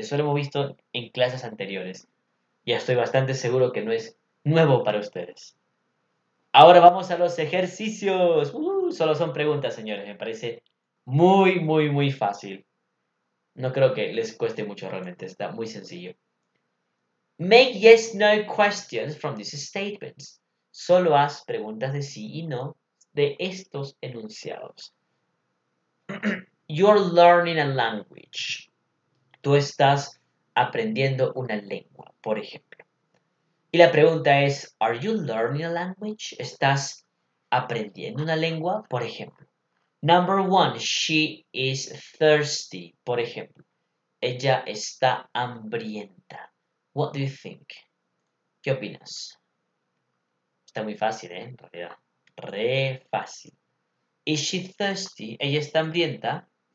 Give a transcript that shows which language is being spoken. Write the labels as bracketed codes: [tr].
[es] Eso lo hemos visto en clases anteriores. Ya estoy bastante seguro que no es nuevo para ustedes. Ahora vamos a los ejercicios. Solo son preguntas, señores. Me parece muy, muy, muy fácil. No creo que les cueste mucho realmente. Está muy sencillo. [en] Make yes, no questions from these statements. [es] Solo haz preguntas de sí y no de estos enunciados. [en] You're learning a language. [es] Tú estás aprendiendo una lengua, por ejemplo. Y la pregunta es, [en] are you learning a language? [es] ¿Estás aprendiendo una lengua? Por ejemplo. [en] Number one, she is thirsty. [es] Por ejemplo, ella está hambrienta. What do you think? ¿Qué opinas? Está muy fácil, ¿eh? En realidad, re fácil. [en] Is she thirsty? [es] ¿Ella está hambrienta?